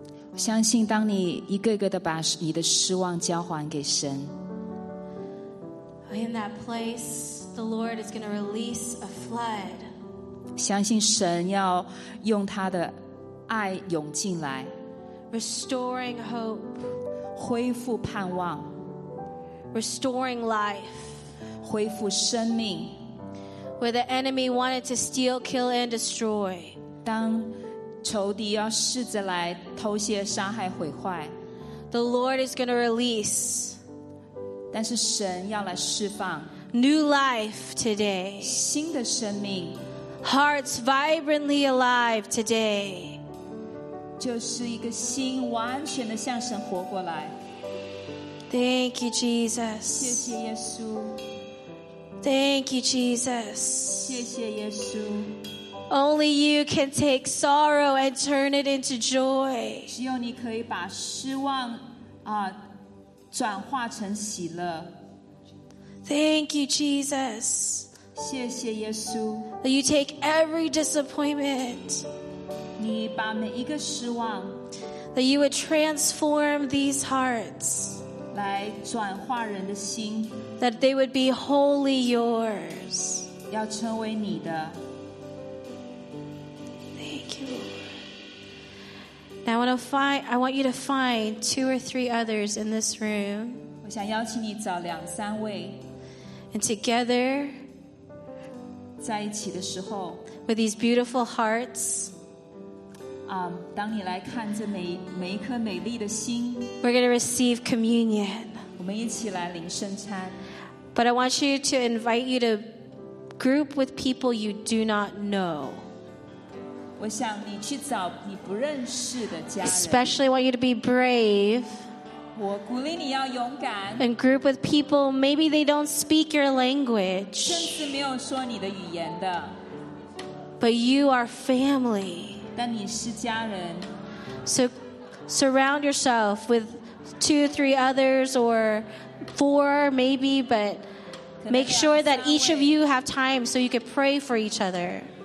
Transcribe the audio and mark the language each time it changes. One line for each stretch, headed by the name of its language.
Chinese: 我相信当你一个一个的把你的失望交还给神，
English: in that place the Lord is going to release a flood.
Chinese: 相信神要用他的爱涌进来，
English: restoring hope，
Chinese: 恢复盼望，
English: restoring life，
Chinese: 恢复生命。
English: Where the enemy wanted to steal, kill and destroy，
Chinese: 当仇敌要试着来偷窃、杀害、毁坏，
English: the Lord is going to release，
Chinese: 但是神要来释放
English: new life today，
Chinese: 新的生命，
English: hearts vibrantly alive today，
Chinese: 就是一个心完全的向神活过来。
English: Thank you Jesus，
Chinese: 谢谢耶稣。
English: Thank you Jesus，
Chinese: 谢谢耶稣。
English: Only you can take sorrow and turn it into joy.
Chinese: 只有你可以把失望啊转化成喜乐。
English: Thank you, Jesus.
Chinese: 谢谢耶稣。
English: That you take every disappointment.
Chinese: 你把每一个失望。
English: That you would transform these hearts.
Chinese: 来转化人的心。
English: That they would be wholly yours.
Chinese: 要成为你的。
English: Now I want you to find two or three others in this room.
Chinese: 我想邀请你找两三位。
English: And together,
Chinese: 在一起的时候，
English: with these beautiful hearts,
Chinese: 当你来看这每一颗美丽的心，
English: we're going to receive communion.
Chinese: 我们一起来领圣餐。
English: But I want you to invite you to group with people you do not know.
Chinese: 我想你去找你不认识的家人。
English: Especially want you to be brave.
Chinese: 我鼓励你要勇敢。
English: And group with people maybe they don't speak your language.
Chinese: 甚至没有说你的语言的。
English: But you are family.
Chinese: 但你是家人。
English: So surround yourself with two, three others or four maybe, but make sure that each of you have time so you can pray for each other.